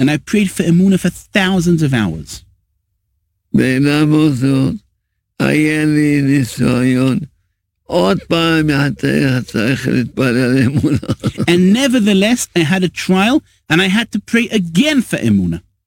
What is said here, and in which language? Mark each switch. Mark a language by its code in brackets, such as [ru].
[en] And I prayed for Emuna for thousands of hours. [he] ולמרות זאת, היה לי ניסיון. עוד פעם, אתה צריך להתפלל על אמונה. [en] And nevertheless, I had a trial, and I had to pray again for Emuna.